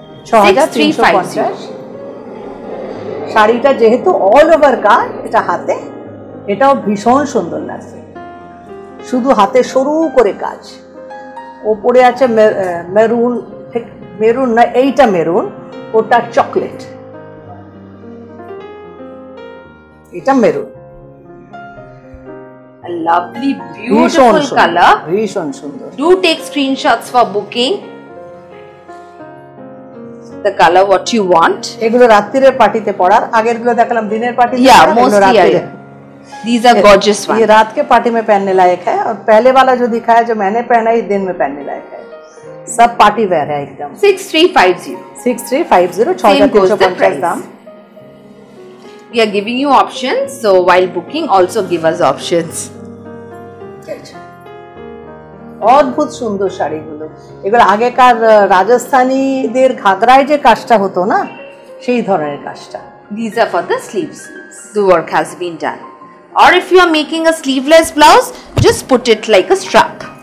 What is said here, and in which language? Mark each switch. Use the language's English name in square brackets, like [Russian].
[Bangla] 6350 শাড়িটা যেহেতু all over কাজ এটা হাতে এটাও ভীষণ সুন্দর লাগছে শুধু হাতে সরু করে কাজ উপরে আছে মেরুন ঠিক মেরুন না এইটা মেরুন ওটা চকলেট এটা maroon [English] A lovely, beautiful color. [Bangla] Vishon sundar. [English] Do take screenshots for booking. The color what you want. [Bangla] এগুলো রাত্রির পার্টিতে পরার আগের গুলো দেখলাম দিনের পার্টিতে পরার এগুলো রাত্রির [English] These are gorgeous one. [Hindi] ये रात के पार्टी में पहनने लायक है और पहले वाला जो दिखाया जो मैंने पहना है दिन में पहनने लायक है सब पार्टी वेयर है एकदम 6350 6350 [English] We are giving you options, so while booking, also give us options. [Bangla] Good. Adbhut sundar shari gulo. এগুলো আগেকার রাজস্থানীদের ঘাগরায় যে কাজটা হতো না, সেই ধরনের কাজটা। [English] These are for the sleeves, the work has been done. Or if you are making a sleeveless blouse, just put it like a strap.